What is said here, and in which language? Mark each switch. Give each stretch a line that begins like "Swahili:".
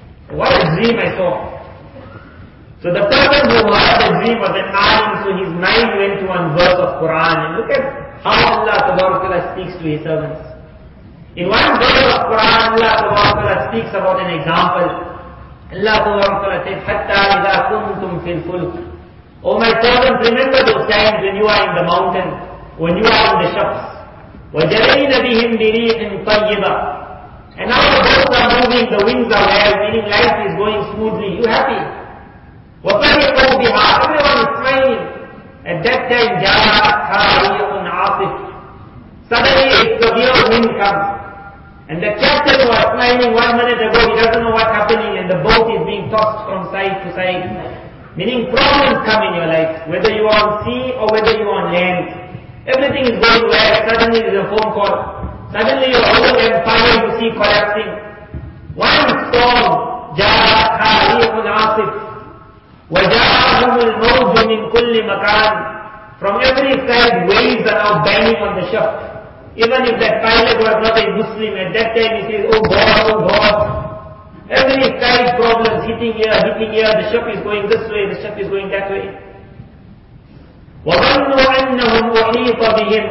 English: What a dream I saw. So the person who had the dream was an alim, so his mind went to one verse of Quran. And look at how Allah Ta'ala speaks to his servants. In one verse of Quran, Allah Ta'ala speaks about an example. Allah Ta'ala says,
Arabic: حَتَّى إِذَا كُنْتُمْ فِي الْفُلْكِ.
English: Oh my servants, remember those times when you are in the mountain, when you are on the ships.
Arabic: وَجَرَيْنَ بِهِمْ بِرِيْحٍ طَيِّبًا.
English: And now the boats are moving, the winds are there, meaning life is going smoothly. You happy?
Arabic: وَفَرِقُوا بِهَا.
English: Everyone is smiling. At that time,
Arabic: جَاءَتْهَا رِيْحٌ عَاصِفٌ.
English: Suddenly, a severe wind comes. And the captain was smiling 1 minute ago, he doesn't know what's happening, and the boat is being tossed from side to side. Meaning problems come in your life, whether you are on sea or whether you are on land. Everything is going well, suddenly there is a phone call. Suddenly your whole empire you see collapsing. One storm,
Arabic: جَاءَتْهَا رِيْحٌ عَاصِفٌ وَجَاءَهُمُ الْمَوْجُ مِنْ كُلِّ مَكَانٍ.
English: From every side waves are now banging on the ship. Even if that pilot was not a Muslim, at that time he says, oh God, every side problems hitting here, the ship is going this way, the ship is going that way.
Arabic: وَظَنُّوا أَنَّهُمْ أُحِيطَ بِهِمْ.